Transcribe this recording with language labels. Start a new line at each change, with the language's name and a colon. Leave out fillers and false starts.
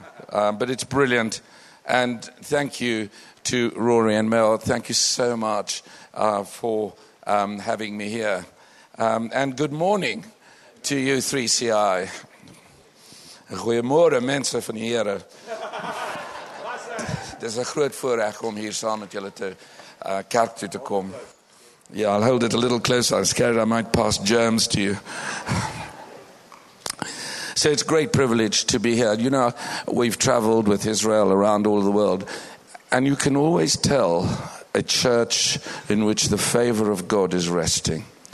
English: But it's brilliant. And thank you to Rory and Mel. Thank you so much for having me here. And good morning to you, 3CI.
Afrikaans: Goeiemôre, mense van die Here. Dis 'n groot voorreg om hier saam met julle te kerk toe te kom.
English: Yeah, I'll hold it a little closer. I'm scared I might pass germs to you. So it's a great privilege to be here. You know, we've traveled with Israel around all the world. And you can always tell a church in which the favor of God is resting.